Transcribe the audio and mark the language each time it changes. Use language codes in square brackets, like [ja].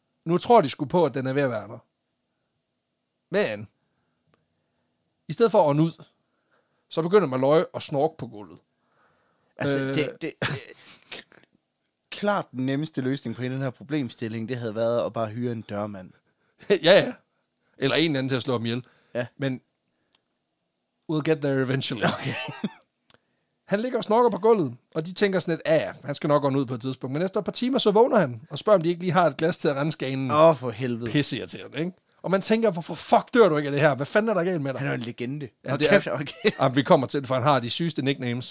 [da] Nu tror de sgu på, at den er ved at være der. Men i stedet for at ånde ud, så begynder Malloy at snorke på gulvet. Altså, det klart den nemmeste løsning på den her problemstilling, det havde været at bare hyre en dørmand. Ja, ja. Eller en anden til at slå ham ihjel. Ja. Men [en] we'll get there eventually. [da] Okay. Han ligger og snorker på gulvet, og de tænker sådan lidt, ja, han skal nok gå ud på et tidspunkt. Men efter et par timer, så vågner han og spørger, om de ikke lige har et glas til at rense ganen. Åh, for helvede. Pisse irriterende, ikke? Og man tænker, hvorfor fuck dør du ikke af det her? Hvad fanden er der galt med dig? Han er en legende. Ja, det er, okay. Jamen, vi kommer til det, for han har de sygeste nicknames.